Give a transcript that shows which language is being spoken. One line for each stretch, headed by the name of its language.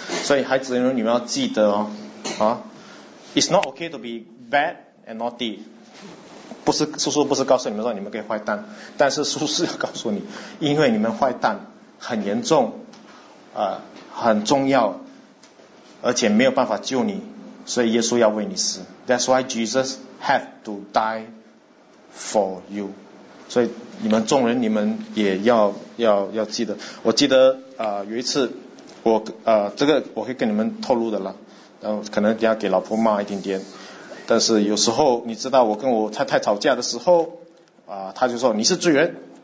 Chinese: 所以孩子们，你们要记得
English: It's not okay to be bad and naughty。
Chinese: 不是叔叔不是告诉你们说你们可以坏蛋，但是叔叔要告诉你，因为你们坏蛋很严重很重要，而且没有办法救你，所以耶稣要为你死。
English: That's why Jesus had to die for you。
Chinese: 所以你们众人，你们也要记得。我记得有一次我这个我会跟你们透露的了，然后可能要给老婆骂一点点，但是有时候你知道我跟我太太吵架的时候他就说你是罪人。